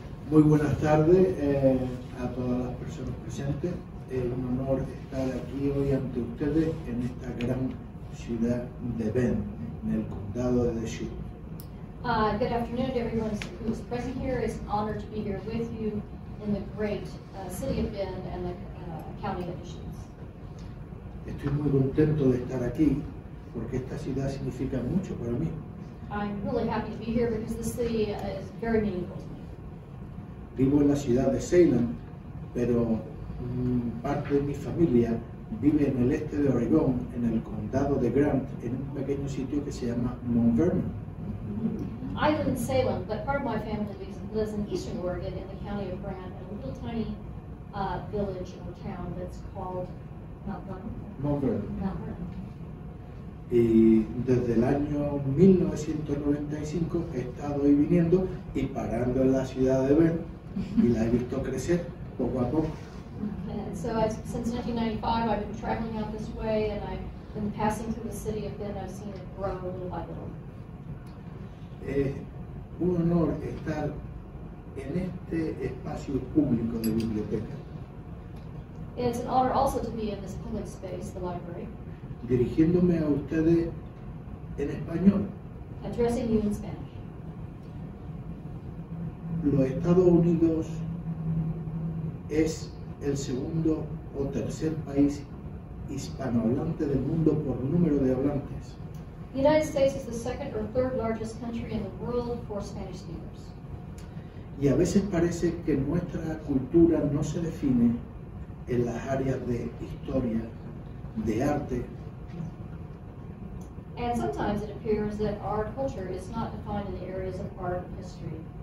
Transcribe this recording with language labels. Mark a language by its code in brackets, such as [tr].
[es] Muy buenas tardes a todas las personas presentes. Es un honor estar aquí hoy ante ustedes en esta gran ciudad de Bend, en el condado de Deschutes. [en] Good afternoon, everyone who is present here. It's an honor to be here with you in the great city of Bend and the county of Deschutes. [es] Estoy muy contento de estar aquí porque esta ciudad significa mucho para mí. [en] I'm really happy to be here because this city is very meaningful to me. [es] Vivo en la ciudad de Salem, pero parte de mi familia vive en el este de Oregón, en el condado de Grant, en un pequeño sitio que se llama Mount Vernon. [en] I live in Salem, but part of my family lives in eastern Oregon, in the county of Grant, in a little tiny village or town that's called Mount Vernon. [es] Y desde el año 1995 he estado ahí viniendo y parando en la ciudad de Bend, y la he visto crecer poco a poco. [en] And so since 1995, I've been traveling out this way, and I've been passing through the city of Bend. I've seen it grow little by little. [es] Es un honor estar en este espacio público de biblioteca. [en] It's an honor also to be in this public space, the library. [es] Dirigiéndome a ustedes en español. [en] Addressing you in Spanish. [es] Los Estados Unidos es el segundo o tercer país hispanohablante del mundo por número de hablantes. [en] The United States is the second or third largest country in the world for Spanish speakers. [es] Y a veces parece que nuestra cultura no se define en las áreas de historia, de arte. [en] And sometimes it appears that our culture is not defined in the areas of art and history.